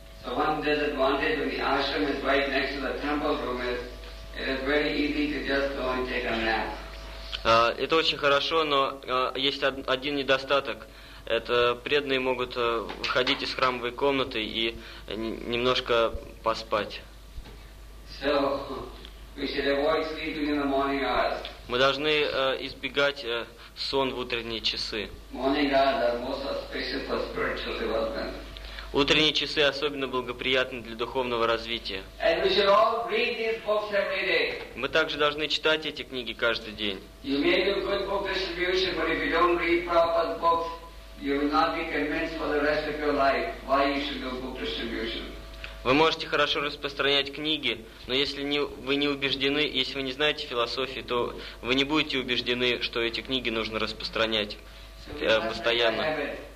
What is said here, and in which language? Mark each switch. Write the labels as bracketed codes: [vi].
[ru] Это очень хорошо, но есть один недостаток. Это преданные могут выходить из храмовой комнаты и немножко поспать. [en] So, we should avoid sleeping in the morning hours. [ru] Мы должны избегать сон в утренние часы. [en] Morning hours are most auspicious for spiritual development. [ru] Утренние часы особенно благоприятны для духовного развития. [en] And we should all read these books every day. [ru] Мы также должны читать эти книги каждый день. [en] You may do good book distribution, but if you don't read proper books, you will not be convinced for the rest of your life why you should do book distribution. [ru] Вы можете хорошо распространять книги, но если вы не убеждены, если вы не знаете философии, то вы не будете убеждены, что эти книги нужно распространять постоянно.